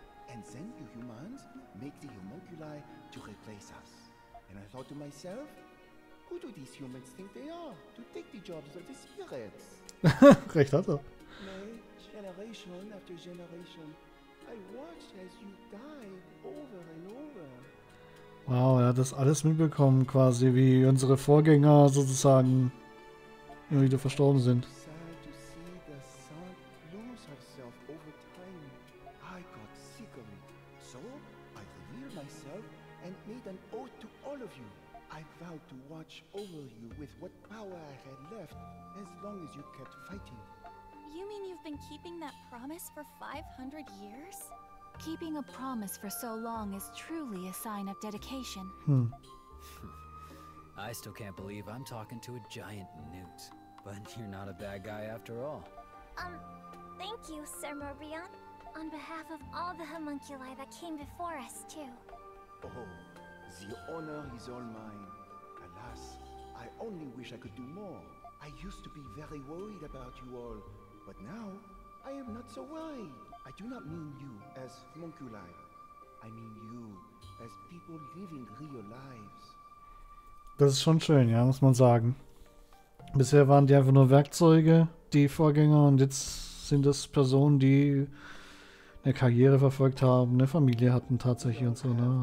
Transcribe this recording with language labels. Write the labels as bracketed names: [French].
[English] And then you humans make the homunculi to replace us. And I thought to myself, who do these humans think they are to take the jobs of the spirits? [German] Recht hat er. [English] Generation after generation, I watched as you died over and over. [German] Wow, er hat das alles mitbekommen, quasi wie unsere Vorgänger sozusagen immer wieder verstorben sind. [English] Sad to see the sun lose herself over time. I got sick of it. So I revealed myself and made an oath to all of you. I vowed to watch over you with what power I had left as long as you kept fighting. You mean you've been keeping that promise for 500 years? Keeping a promise for so long is truly a sign of dedication. I still can't believe I'm talking to a giant newt. But you're not a bad guy after all. Thank you, Sir Morbion. On behalf of all the homunculi that came before us, too. Oh, the honor is all mine. Alas, I only wish I could do more. I used to be very worried about you all, but now I am not so worried. I do not mean you as homunculi. I mean you as people living real lives. [German] Das ist schon schön, ja, muss man sagen. Bisher waren die einfach nur Werkzeuge, die Vorgänger, und jetzt sind das Personen, die eine Karriere verfolgt haben, eine Familie hatten tatsächlich und so, ne?